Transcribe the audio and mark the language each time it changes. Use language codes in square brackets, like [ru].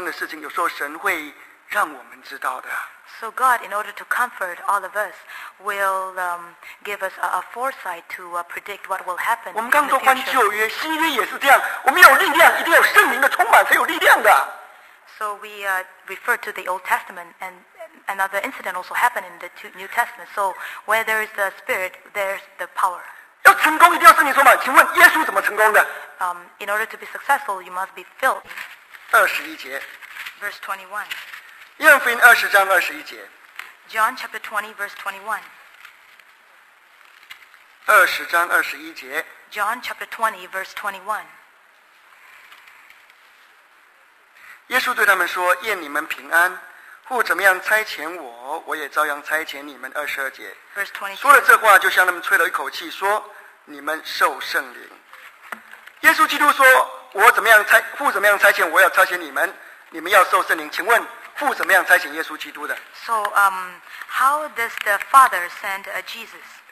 [zh] 弟兄姐妹们,真的,为了安慰我们的信徒啊,那种未来要发生的事情,有时候神会让我们知道的。So [en] God, in order to comfort all of us, will give us a foresight to predict what will happen in the future. [zh] 我们刚刚读完旧约,新约也是这样,我们有力量,一定要圣灵的充满才有力量的。 [en] So we refer to the Old Testament, and another incident also happened in the New Testament. So where there is the Spirit, there's the power. [zh] 要成功一定要圣灵充满,请问耶稣怎么成功的? [en] In order to be successful, you must be filled. [zh] 21节 [en] Verse [zh] 21 20章21节 [en] John chapter 20, verse 21 [zh] 20章21节 [en] John chapter 20, verse 21 [zh] 耶稣对他们说,愿你们平安。父怎么样差遣我,我也照样差遣你们 22节 [en] Verse 22 [zh] 说了这话,就向他们吹了一口气说, 你们受圣灵。耶稣基督说,我怎么样差遣,父怎么样差遣,我要差遣你们,你们要受圣灵。请问,父怎么样差遣耶稣基督的? [en] So, how does the Father send Jesus?